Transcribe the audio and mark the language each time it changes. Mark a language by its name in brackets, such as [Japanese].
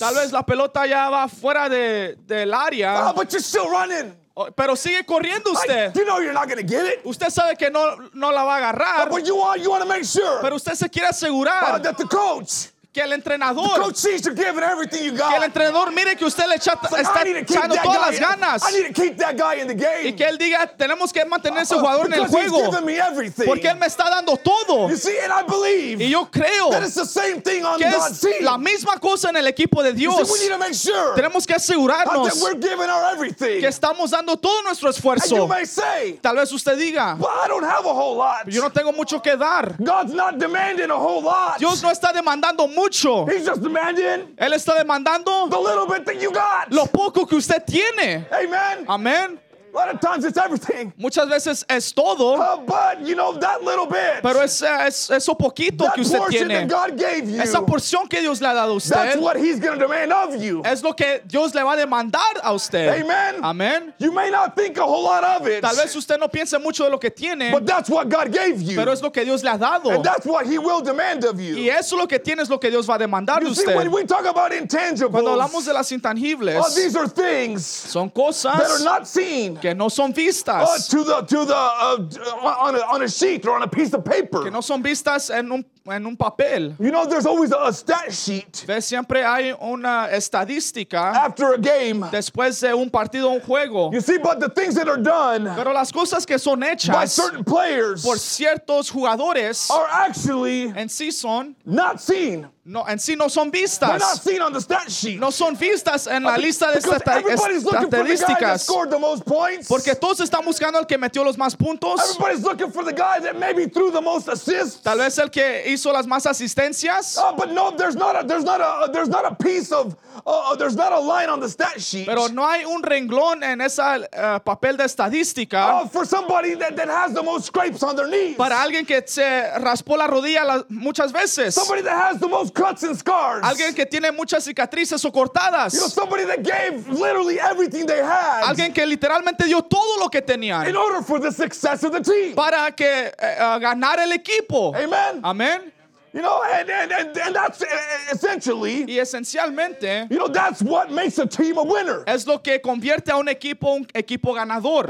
[Spanish] Tal vez la pelota ya va fuera del área. [English] But you're still running. [Spanish] Pero sigue corriendo usted. [English] You know you're not gonna get it. [Spanish] Usted sabe que no la va a agarrar. [English] But you want to make sure. [Spanish] Pero usted se quiere asegurar. [English] That the coach. [Spanish] Que el entrenador. [English] The coach sees you're giving everything you got. [Spanish] Que el entrenador mire que usted le está echando todas las ganas. [English] I need to keep that guy in the game. [Spanish] Y que él diga tenemos que mantener ese jugador en el juego. [English] Because he's giving me everything. [Spanish] Porque él me está dando todo. [English] You see, and I believe. [Spanish] Y yo creo. [English] That it's the same thing on God's team. [Spanish] La misma cosa en el equipo de Dios. [English] You see, we need to make sure. [Spanish] Tenemos que asegurarnos. [English] That we're giving our everything. [Spanish] Que estamos dando todo nuestro esfuerzo. [English] And you may say. [Spanish] Tal vez usted diga. [English] But I don't have a whole lot. [Spanish] Yo no tengo mucho que dar. [English] God's not demanding a whole lot. [Spanish] Dios no está demandando mucho. [English] He's just demanding. [Spanish] Él está demandando. [English] The little bit that you got. [Spanish] Lo poco que usted tiene. [English] Amen. [Spanish] Amen. [English] A lot of times it's everything. [Spanish] Muchas veces es todo. [English] But you know that little bit. [Spanish] Pero es eso poquito que usted tiene. [English] That portion that God gave you. [Spanish] Esa porción que Dios le ha dado a usted. [English] That's what He's going to demand of you. [Spanish] Es lo que Dios le va a demandar a usted. [English] Amen. [Spanish] Amen. [English] You may not think a whole lot of it. [Spanish] Tal vez usted no piense mucho de lo que tiene. [English] But that's what God gave you. [Spanish] Pero es lo que Dios le ha dado. [English] And that's what He will demand of you. [Spanish] Y eso lo que tiene es lo que Dios va a demandar de usted. [English] You see, when we talk about intangibles, [Spanish] cuando hablamos de las intangibles, [English] well, these are things, [Spanish] son cosas [English] that are not seen. [Spanish] Que no son vistas. [English] On a sheet or on a piece of paper. [Spanish] Que no son vistas en un papel. [English] You know, there's always a stat sheet. [Spanish] ¿Ves? Siempre hay una estadística. [English] After a game. [Spanish] Después de un partido, un juego. [English] You see, but the things that are done. [Spanish] Pero las cosas que son hechas. [English] By certain players. [Spanish] Por ciertos jugadores. [English] Are actually. [Spanish] En sí son. [English] Not seen. [Spanish] No, en sí no son vistas. [English] They're not seen on the stat sheet. [Spanish] No son vistas en la lista de estadísticas. Porque todos están buscando al que metió los más puntos. [English] Everybody's looking for the guy that maybe threw the most assists. [Spanish] Tal vez el que hizo las más asistencias. [English] But no, there's not a piece of there's not a line on the stat sheet. [Spanish] Pero no hay un renglón en esa papel de estadística. [English] For somebody that has the most scrapes on their knees. [Spanish] Para alguien que se raspó la rodilla muchas veces. [English] Somebody that has the most cuts and scars. [Spanish] Alguien que tiene muchas cicatrices o cortadas. [English] You know, somebody that gave literally everything they had. [Spanish] Alguien que literalmente dio todo lo que tenían. [English] In order for the success of the team. [Spanish] Para que ganar el equipo. [English] Amen. [Spanish] Amen. [English] You know, and that's essentially. [Spanish] Y esencialmente. [English] You know, that's what makes a team a winner. [Spanish] Es lo que convierte a un equipo ganador.